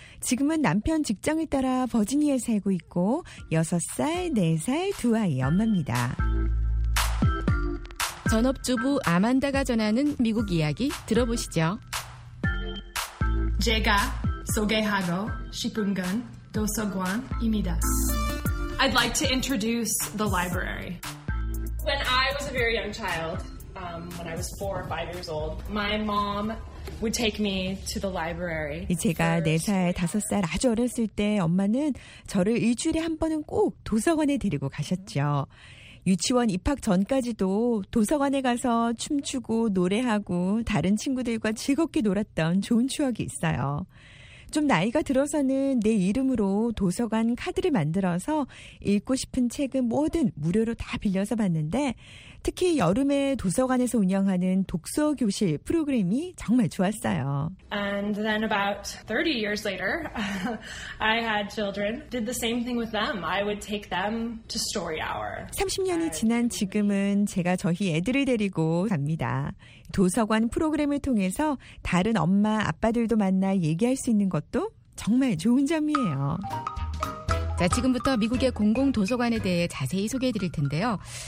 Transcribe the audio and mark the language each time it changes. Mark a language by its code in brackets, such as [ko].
[ko] 지금은 남편 직장을 따라 버지니아에 살고 있고 6살, 4살 두 아이 엄마입니다. 전업주부 아만다가 전하는 미국 이야기 들어보시죠. 제가 소개하고 싶은 건 도서관입니다. [en] I'd like to introduce the library. When I was a very young child, when I was 4 or 5 years old, my mom would take me to the library. [ko] 제가 4살, 5살 아주 어렸을 때 엄마는 저를 일주일에 한 번은 꼭 도서관에 데리고 가셨죠. 유치원 입학 전까지도 도서관에 가서 춤추고 노래하고 다른 친구들과 즐겁게 놀았던 좋은 추억이 있어요. 좀 나이가 들어서는 내 이름으로 도서관 카드를 만들어서 읽고 싶은 책은 뭐든 무료로 다 빌려서 봤는데 특히 여름에 도서관에서 운영하는 독서 교실 프로그램이 정말 좋았어요. [en] And then about 30 years later, I had children. Did the same thing with them. I would take them to story hour. [ko] 30년이 지난 지금은 제가 저희 애들을 데리고 갑니다. 도서관 프로그램을 통해서 다른 엄마, 아빠들도 만나 얘기할 수 있는 것도 정말 좋은 점이에요. 자, 지금부터 미국의 공공도서관에 대해 자세히 소개해 드릴 텐데요.